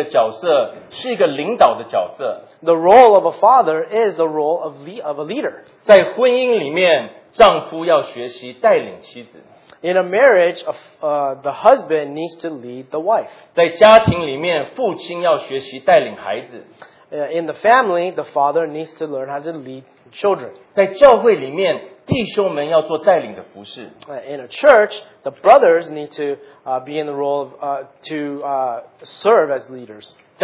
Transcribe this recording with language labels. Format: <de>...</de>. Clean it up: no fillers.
<zh>做父亲的所扮演的一个角色是一个领导的角色。</zh> <en>The role of a father is the role of a leader.</en> <zh>在婚姻里面，丈夫要学习带领妻子。</zh> <en>In a marriage, the husband needs to lead the wife.</en> <zh>在家庭里面，父亲要学习带领孩子。</zh> <en>In the family, the father needs to learn how to lead children.</en> <zh>在教会里面，弟兄们要做带领的服事。</zh> <en>In a church, the brothers need to be in the role of, serve as leaders.</en>